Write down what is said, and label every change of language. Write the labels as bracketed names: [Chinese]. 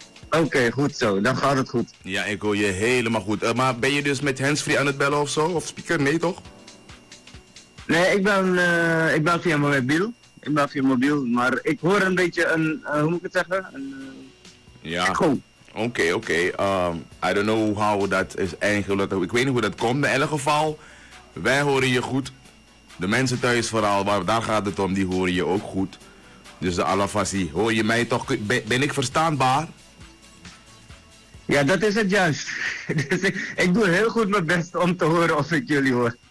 [Dutch] Oké, goed zo. Dan gaat het goed. Ja, ik hoor je helemaal goed. Maar ben je dus met handsfree aan het bellen of zo? Of speaker? Nee, toch? Nee, ik ben via mobiel. Ik ben via mobiel, maar ik hoor een beetje een, hoe moet ik het zeggen? Ja. Oké. [English] I don't know how that is eigenlijk. [Dutch] Ik weet niet hoe dat komt. In elk geval, wij horen je goed. De mensen thuis vooral, daar gaat het om, die horen je ook goed. Dus de alafasie, hoor je mij toch? Ben ik verstaanbaar? Ja, dat is het juist. Dus ik doe heel goed mijn best om te horen of ik jullie hoor.